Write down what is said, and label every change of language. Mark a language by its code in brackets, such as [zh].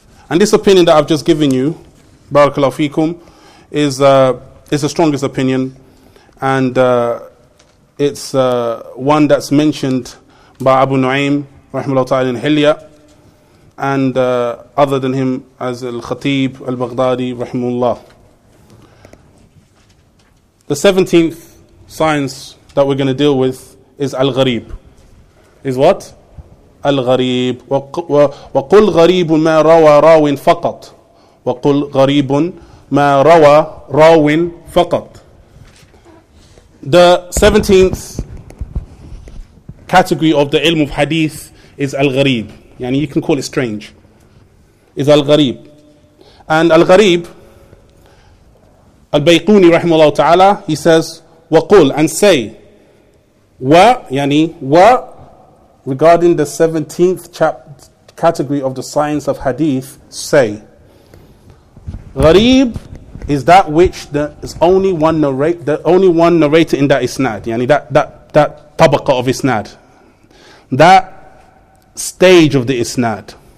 [en] And this opinion that I've just given you, barakallahu feekum, is the strongest opinion, and it's one that's mentioned by Abu Nu'aym, rahimahullah ta'ala, in Hilya, and other than him as Al-Khatib Al-Baghdadi, rahimahullah. The 17th science that we're going to deal with is Al-Gharib. Is what? [ar] الغريب وقل غريب ما روى راو فقط وقل غريب ما روى راو فقط. [en] The 17th category of the ilm of hadith is al-gharib. Yani you can call it strange. Is al-gharib. And al-gharib, al-Bayquni rahimahullah ta'ala, he says وقل, and say wa, yani wa, regarding the 17th category of the science of hadith, say, Gharib is that which the only one narrator in that isnad, yani that tabaka of isnad, that stage of the isnad.